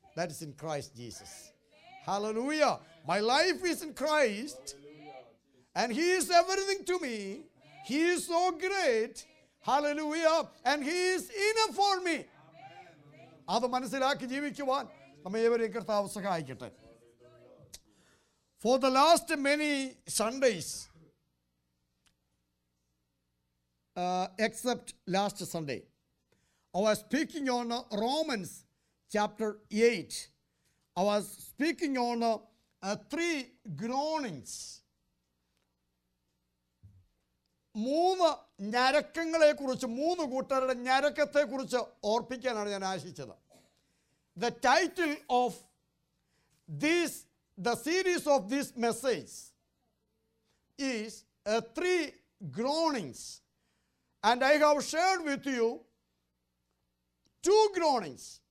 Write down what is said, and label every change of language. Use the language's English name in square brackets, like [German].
[English] That is in Christ Jesus. Hallelujah. My life is in Christ and he is everything to me. He is so great. Hallelujah. And he is enough for me. [Malayalam] അത് മനസ്സിലാക്കി ജീവിക്കുവാൻ നമ്മെ ഏവരെയും കർത്താവ് സഹായിക്കട്ടെ. [English] For the last many Sundays except last Sunday, I was speaking on Romans chapter 8. I was speaking on three groanings. [Malayalam] മൂന്ന് ഞരക്കങ്ങളെക്കുറിച്ച്, മൂന്ന് കൂട്ടരുടെ ഞരക്കത്തെക്കുറിച്ച് ഓർപ്പിക്കാനാണ് ഞാൻ ആശിച്ചത്. [English] The title of this, the series of this message is three groanings. And I have shared with you two groanings.